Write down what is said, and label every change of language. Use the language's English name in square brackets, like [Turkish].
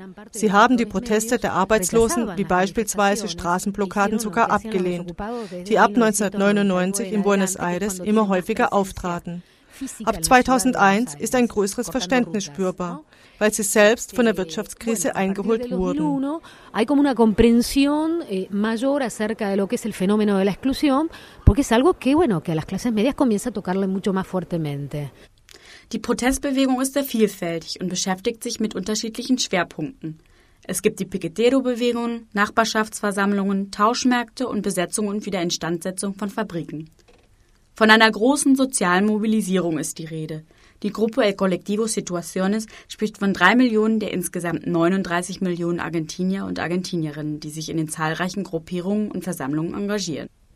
[German] Sie haben die Proteste der Arbeitslosen, wie beispielsweise Straßenblockaden, sogar abgelehnt, die ab 1999 in Buenos Aires immer häufiger auftraten. Ab 2001 ist ein größeres Verständnis spürbar, weil sie selbst von der Wirtschaftskrise eingeholt wurden. [Spanish] Hay como una comprensión mayor acerca de lo que es el fenómeno de la exclusión, porque es algo que bueno, que a las clases medias comienza a tocarle mucho más fuertemente. [German] Die Protestbewegung ist sehr vielfältig und beschäftigt sich mit unterschiedlichen Schwerpunkten. Es gibt die Piquetero-Bewegungen, Nachbarschaftsversammlungen, Tauschmärkte und Besetzung und Wiederinstandsetzung von Fabriken. Von einer großen sozialen Mobilisierung ist die Rede. Die Gruppe El Colectivo Situaciones spricht von 3 Millionen der insgesamt 39 Millionen Argentinier und Argentinierinnen, die sich in den zahlreichen Gruppierungen und Versammlungen engagieren.